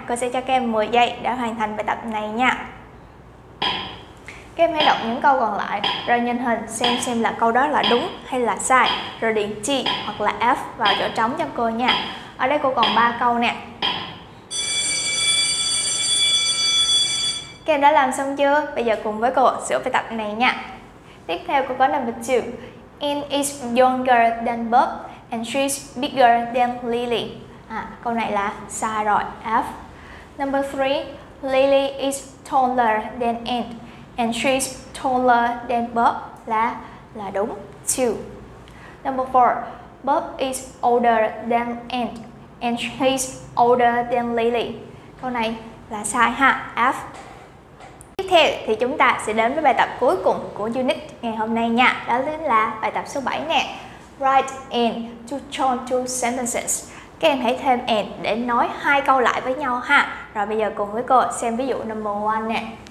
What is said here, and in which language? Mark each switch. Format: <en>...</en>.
<vi>Cô sẽ cho các em 10 giây để hoàn thành bài tập này nha. Các em hãy đọc những câu còn lại rồi nhìn hình xem là câu đó là đúng hay là sai. Rồi điền T hoặc là F vào chỗ trống cho cô nha. Ở đây cô còn 3 câu nè. Các em đã làm xong chưa? Bây giờ cùng với cô sửa bài tập này nha. Tiếp theo cô có</vi> <en>number 2. Anne is younger than Bob and she's bigger than Lily.</en> <vi>À, câu này là sai rồi, F.</vi> <en>Number 3. Lily is taller than Anne and she's taller than Bob.</en> <vi>Là đúng, 2.</vi> <en>Number 4. Bob is older than Anne and she's older than Lily.</en> <vi>Câu này là sai ha, F. Tiếp theo thì chúng ta sẽ đến với bài tập cuối cùng của unit ngày hôm nay nha. Đó chính là bài tập số 7 nè.</vi> <en>Write in to join two sentences.</en> <vi>Các em hãy thêm and để nối hai câu lại với nhau ha. Rồi bây giờ cùng với cô xem ví dụ</vi> <en>number 1</en> <vi>nè.</vi>